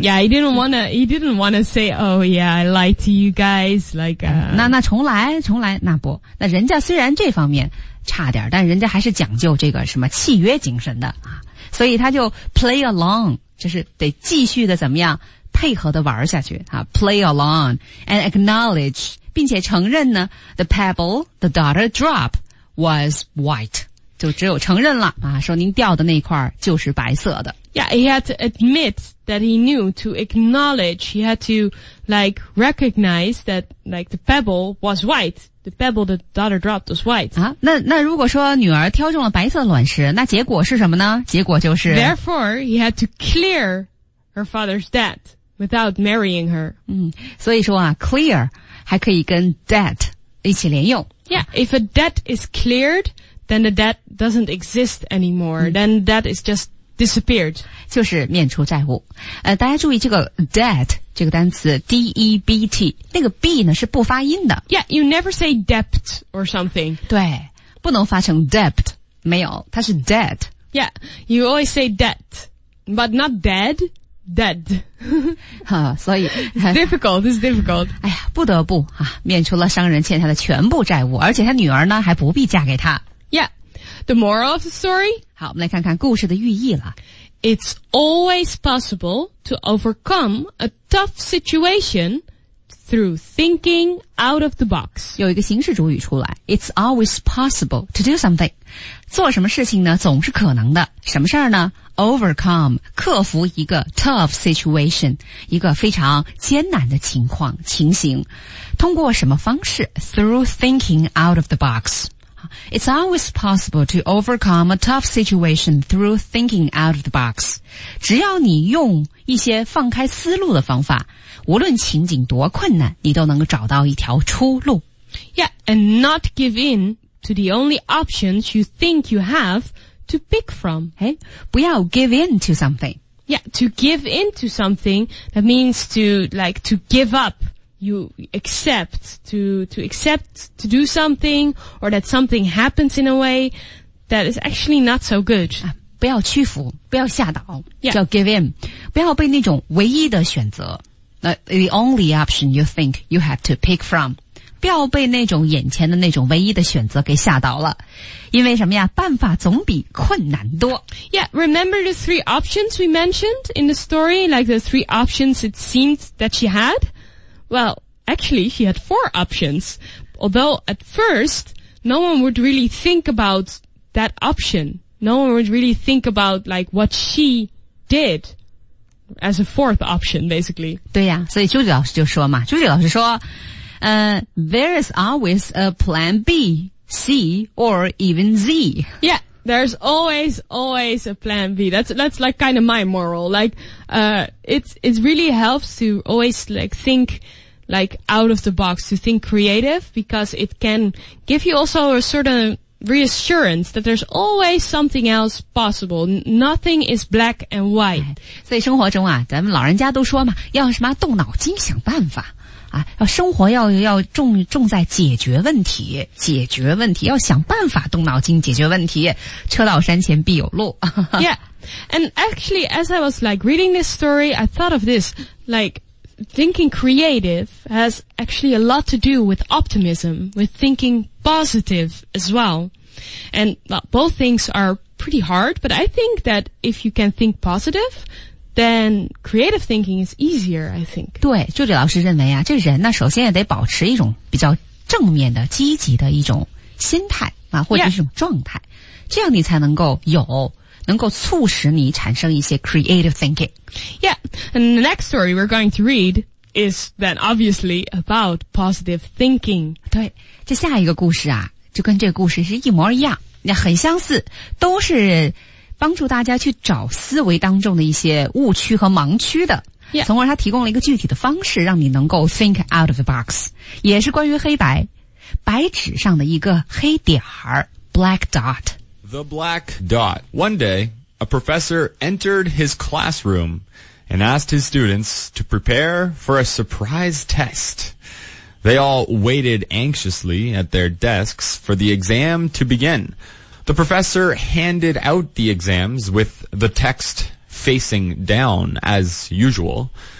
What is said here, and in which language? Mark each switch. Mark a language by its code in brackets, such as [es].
[en] Yeah, he didn't wanna say, oh yeah, I lied to you guys, like, [zh] 那重来重来那不那人家虽然这方面差点但人家还是讲究这个什么契约精神的。所以他就 [en] play along, [zh] 就是得继续的怎么样配合的玩下去、啊、 [en] play along and acknowledge, [zh] 并且承认呢 [en] the pebble the daughter dropped was white, [zh] 就只有承认了、啊、说您掉的那块就是白色的。 [en] Yeah, he had to admit that he knew, to acknowledge, he had to, like, recognize that, like, the pebble was white. The pebble the daughter dropped was white. [zh] 啊，那如果说女儿挑中了白色卵石，那结果是什么呢？结果就是 [en] Therefore, he had to clear her father's debt without marrying her. [zh] 嗯，所以说啊 ,clear 还可以跟 debt 一起连用。 [en] Yeah, if a debt is cleared, then the debt doesn't exist anymore. Then debt is just disappeared. [zh] 就是免除债务。大家注意这个 debt, 这个单词 ,debt, 那个 b 呢是不发音的。 [en] Yeah, you never say debt or something. [zh] 对,不能发成 debt, 没有,它是 debt. [en] Yeah, you always say debt, but not dead. Dead. [zh] 哈所以 [en] It's difficult, it's difficult. [zh] 哎呀不得不啊免除了商人欠下的全部债务而且他女儿呢还不必嫁给他。 [en] Yeah. The moral of the story? [zh] 好我们来看看故事的寓意了。 [en] It's always possible to overcome a tough situation through thinking out of the box. [zh] 有一个形式主语出来。 [en] It's always possible to do something. [zh] 做什么事情呢总是可能的。什么事儿呢Overcome, 克服一个 [en] tough situation, [zh] 一个非常艰难的情况、情形。通过什么方式 ? [en] Through thinking out of the box. It's always possible to overcome a tough situation through thinking out of the box. [zh] 只要你用一些放开思路的方法,无论情景多困难,你都能够找到一条出路。 [en] Yeah, and not give in to the only options you think you have,To pick from. [zh] 诶不要 [en] give in to something. Yeah, to give in to something, that means to, like, to give up. You accept, to accept to do something, or that something happens in a way that is actually not so good. 啊 [zh] 不要屈服不要吓倒、 [en] yeah. [zh] 叫 give in. 不要被那种唯一的选择 [en] the only option you think you have to pick from. [zh] 不要被那种眼前的那种唯一的选择给吓到了。因为什么呀办法总比困难多。 [en] Yeah, remember the three options we mentioned in the story, like the three options it seemed that she had? Well, actually, she had four options. Although at first, no one would really think about that option. No one would really think about, like, what she did. As a fourth option, basically. [zh] 对呀所以朱迪老师就说嘛朱迪老师说 [en] there is always a plan B, C, or even Z. Yeah, there's always, always a plan B. That's like kind of my moral. Like, it really helps to always like think like out of the box, to think creative, because it can give you also a certain reassurance that there's always something else possible. Nothing is black and white. [zh] 所以生活中啊咱们老人家都说嘛要什么动脑筋想办法。啊、生活 要 重在解决问题解决问题要想办法动脑筋解决问题车到山前必有路 [en] Yeah, and actually as I was like reading this story I thought of this like thinking creative has actually a lot to do with optimism with thinking positive as well and well, both things are pretty hard but I think that if you can think positiveThen creative thinking is easier, I think. [zh] 对朱迪老师认为啊这人呢首先也得保持一种比较正面的积极的一种心态啊或者是一种状态。 [en] Yeah. [zh] 这样你才能够有能够促使你产生一些 creative thinking. [en] Yeah, and the next story we're going to read is then obviously about positive thinking. [zh] 对这下一个故事啊就跟这个故事是一模一样那很相似都是帮助大家去找思维当中的一些误区和盲区的、 [en] yeah. [zh] 从而他提供了一个具体的方式让你能够 [en] think out of the box [zh] 也是关于黑白白纸上的一个黑点儿 black dot [en] The black dot One day, a professor entered his classroom and asked his students to prepare for a surprise test They all waited anxiously at their desks for the exam to beginThe professor handed out the exams with the text facing down, as usual.